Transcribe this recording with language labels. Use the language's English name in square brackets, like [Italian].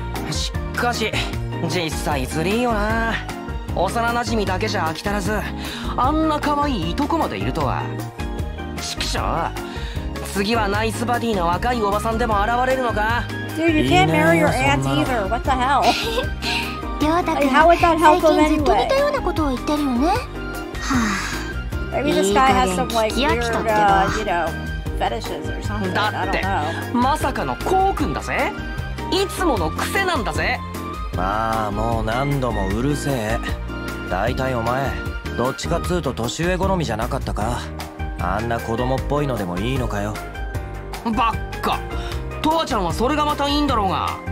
[Japanese] しかし、実際ずりーよな。幼なじみだけじゃ飽き足らず、あんな可愛いいとこまでいるとは。ちくしょう。次はナイスバディの若いおばさんでも現れるのか。 [English] Dude, you can't marry your aunt either. What the hell? [Japanese] りょうたくん、 [English] How would that help him anyway? [Japanese] 最近ずっと似たようなことを言ってるよね。 [English] はあ。Maybe this guy has some like weird, you know, fetishes or something. I don't know. [Japanese] だって、まさかのコウくんだぜ。いつもの癖なんだぜ。まあもう何度もうるせえ。大体お前どっちかっつうと年上好みじゃなかったか。あんな子供っぽいのでもいいのかよ。バッカ、トワちゃんはそれがまたいいんだろうが。